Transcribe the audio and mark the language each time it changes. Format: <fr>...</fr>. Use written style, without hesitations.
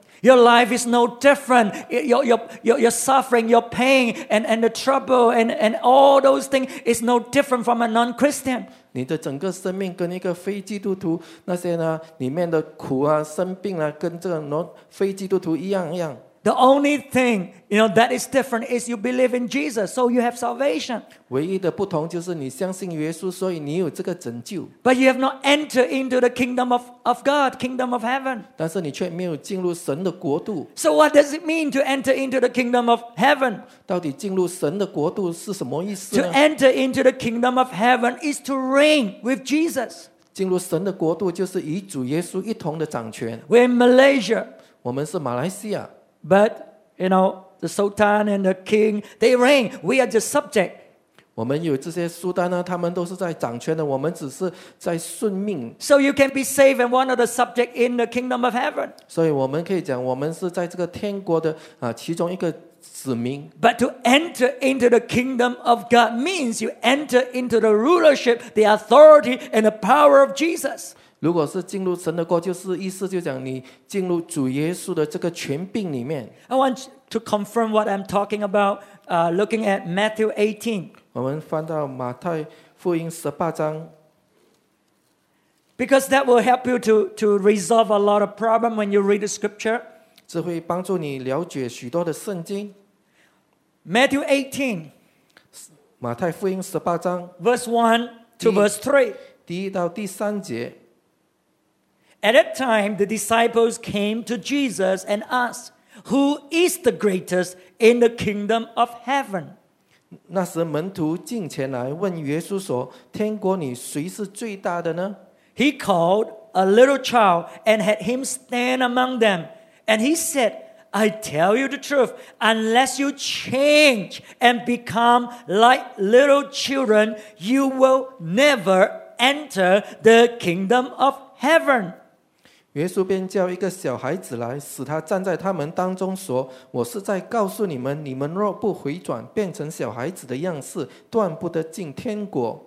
<en>Your life is no different. Your suffering, your pain, and the trouble, and all those things is no different from a non-Christian.</en> <zh>你的整个生命跟一个非基督徒那些呢，里面的苦啊、生病啊，跟这个非基督徒一样一样。</zh> <en>The only thing, you know, that is different is you believe in Jesus, so you have salvation.</en> <zh>唯一的不同就是你相信耶稣，所以你有这个拯救。</zh> <en>But you have not entered into the kingdom of God, kingdom of heaven.</en> <zh>但是你却没有进入神的国度。</zh> <en>So what does it mean to enter into the kingdom of heaven?</en> <zh>到底进入神的国度是什么意思呢？</zh> <en>To enter into the kingdom of heaven is to reign with Jesus.</en> <zh>进入神的国度就是与主耶稣一同的掌权。</zh> <en>We're in Malaysia.</en> <zh>我们是马来西亚。</zh> <en>But, you know, the Sultan and the King, they reign. We are just subject.</en> <zh>我们有这些苏丹呢，他们都是在掌权的，我们只是在顺命。</zh> <en>So you can be saved and one of the subjects in the kingdom of heaven.</en> <zh>所以我们可以讲，我们是在这个天国的其中一个子民。</zh> <en>But to enter into the kingdom of God means you enter into the rulership, the authority, and the power of Jesus.</en> <zh>如果是进入神的国，就是意思就讲你进入主耶稣的这个权柄里面。</zh> <en>I want to confirm what I'm talking about. Looking at Matthew 18.</en> <zh>我们翻到马太福音十八章。</zh> <en>Because that will help you to resolve a lot of problem when you read the scripture.</en> <zh>这会帮助你了解许多的圣经。</zh> <en>Matthew 18.</en> <zh>马太福音十八章。</zh> <en>Verse 1 to verse 3.</en> <zh>第一到第三节。</zh> <en>At that time, the disciples came to Jesus and asked, "Who is the greatest in the kingdom of heaven?"</en> <zh>那时门徒近前来问耶稣说，天国里谁是最大的呢？</zh> <en>He called a little child and had him stand among them. And he said, "I tell you the truth, unless you change and become like little children, you will never enter the kingdom of heaven."</en> <zh>耶稣便叫一个小孩子来，使他站在他们当中，说：“我是在告诉你们，你们若不回转，变成小孩子的样式，断不得进天国。”</zh>